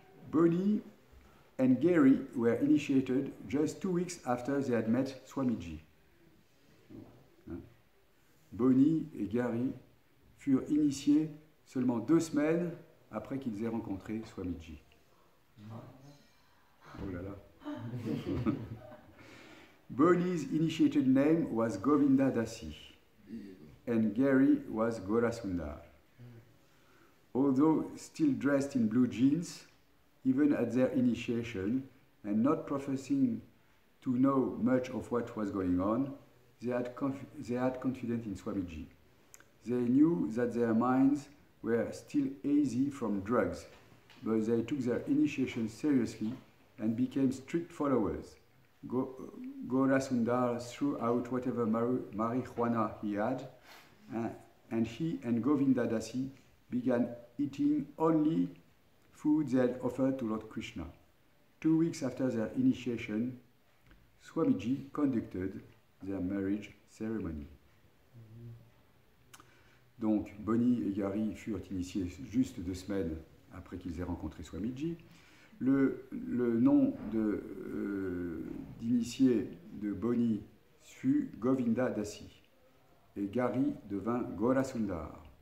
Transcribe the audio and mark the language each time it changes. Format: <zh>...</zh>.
<en>Bonnie and Gary were initiated just 2 weeks after they had met Swamiji.</en> <fr>Bonnie et Gary furent initiés seulement 2 semaines après qu'ils aient rencontré Swamiji. Oh là là.</fr> <en>Bonnie's initiated name was Govinda Dasi, and Gary was Gorasundar. Although still dressed in blue jeans, even at their initiation, and not professing to know much of what was going on, they had confidence in Swamiji. They knew that their minds were still hazy from drugs, but they took their initiation seriously and became strict followers. Golasundara throughout whatever marijuana he had, and he and Govinda Dasi began eating only food they had offered to Lord Krishna. 2 weeks after their initiation, Swamiji conducted their marriage ceremony.</en> <fr>Donc, Bonnie et Gary furent initiés juste 2 semaines après qu'ils aient rencontré Swamiji. Le nom de, d'initié de Bonnie fut Govinda Dasi et Gary devint Golasundara.</fr>